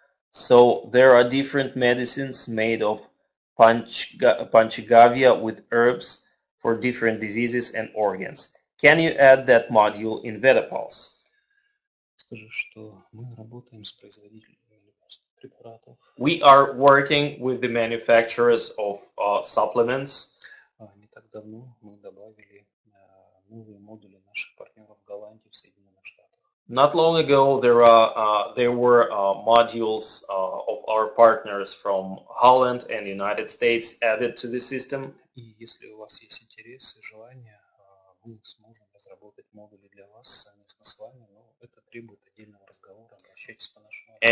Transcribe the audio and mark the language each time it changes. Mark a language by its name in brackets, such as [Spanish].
[English] So there are different medicines made of Panchagavya with herbs for different diseases and organs. Can you add that module in Vedapulse? [Russian] Скажу, что мы работаем с производителями препаратов. [English] We are working with the manufacturers of supplements. [Russian] Не так давно мы добавили новые модули наших партнеров в Голландии, в Соединенных Штатах. [English] Not long ago there were modules of our partners from Holland and United States added to the system. [Russian] И если у вас есть интерес и желание, мы сможем разработать модули для вас совместно с вами, но это требует отдельного разговора, обращайтесь по нашему адресу.